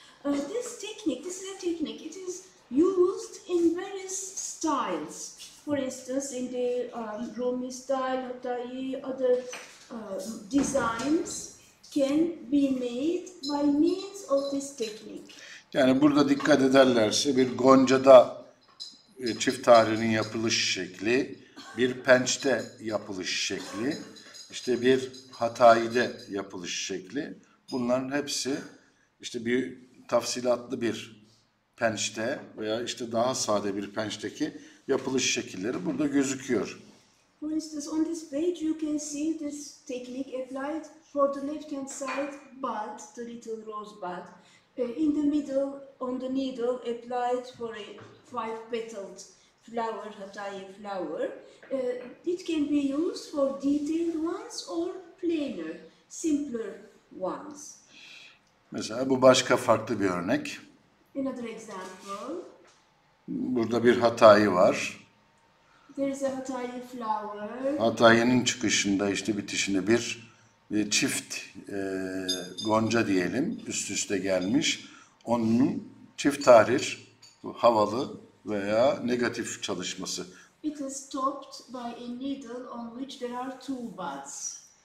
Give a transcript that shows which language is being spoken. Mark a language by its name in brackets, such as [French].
[English] This is a technique. It is used in various styles. For instance, in the Rumi style, Hatayi, other designs can be made by means of this technique. [Turkish] Yani burada dikkat ederlerse bir Gonca'da çift tahrinin yapılış şekli, bir Penç'te yapılış şekli, işte bir Hatayi'de yapılış şekli. Bunların hepsi işte bir tafsilatlı bir Penç'te veya işte daha sade bir Penç'teki yapılış şekilleri burada gözüküyor. [English] For instance, on this page you can see this technique applied for the left hand side bud, the little rose bud. In the middle, on the needle, applied for a five-petaled flower, Hatayi flower. It can be used for detailed ones or plainer, simpler ones. [Turkish] Mesela bu başka farklı bir örnek. [English] Another example. [Turkish] Burada bir Hatayi var. [English] There is a Hatayi flower. [Turkish] Hatayi'nin çıkışında, işte bitişinde bir çift gonca diyelim, üst üste gelmiş, onun çift tahrir, havalı veya negatif çalışması. [English] It is topped by a needle on which there are two buds.